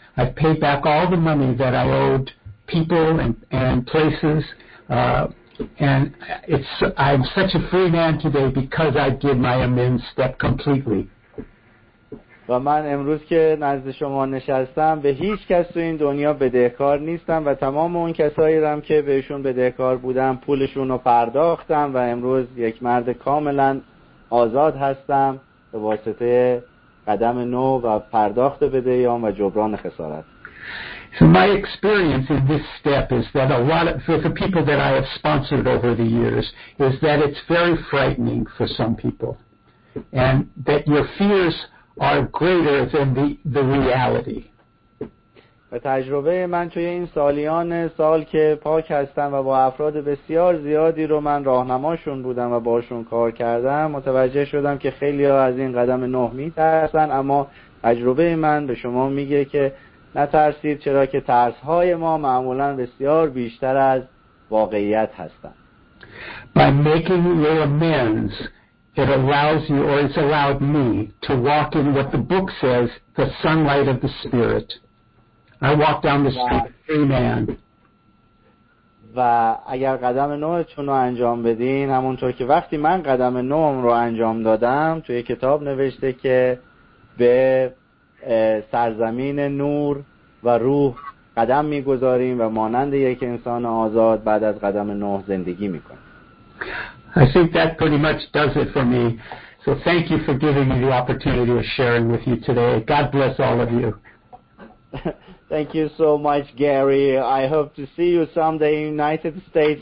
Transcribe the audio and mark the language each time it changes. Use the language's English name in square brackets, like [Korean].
[English] I've paid back all the money that I owed people and places. And I'm such a free man today because I did my amends step completely. [Persian] و من امروز که نزد شما نشستم به هیچ کس تو این دنیا بدهکار نیستم و تمام اون کسایی رم که بهشون بدهکار بودم پولشون رو پرداختم و امروز یک مرد کاملا آزاد هستم به واسطه قدم نو و پرداخت بدهیام و جبران خسارت. [English] So my experience in this step is that a lot of for the people that I have sponsored over the years is that it's very frightening for some people, and that your fears are greater than the reality. [Persian] و تجربه من توی این سالیان سال که پاک هستم و با افراد بسیار زیادی رو من راهنماشون بودم و باشون کار کردم متوجه شدم که خیلی ها از این قدم نه میترسن، اما تجربه من به شما میگه که نترسید، چرا که ترس های ما معمولا بسیار بیشتر از واقعیت هستند. [English] By making your amends, it allows you, or it's allowed me, to walk in what the book says, the sunlight of the spirit. I walk down the street, free man. [Persian] و اگر قدم نوتون رو انجام بدین، همونطور که وقتی من قدم نوم رو انجام دادم، توی کتاب نوشته که به سرزمین نور و روح قدم می‌گذاریم و مانند یک انسان آزاد بعد از قدم نوح زندگی می‌کنیم. [English] I think that pretty much does it for me. So thank you for giving me the opportunity of sharing with you today. God bless all of you. Thank you so much, Gary. I hope to see you someday in United States.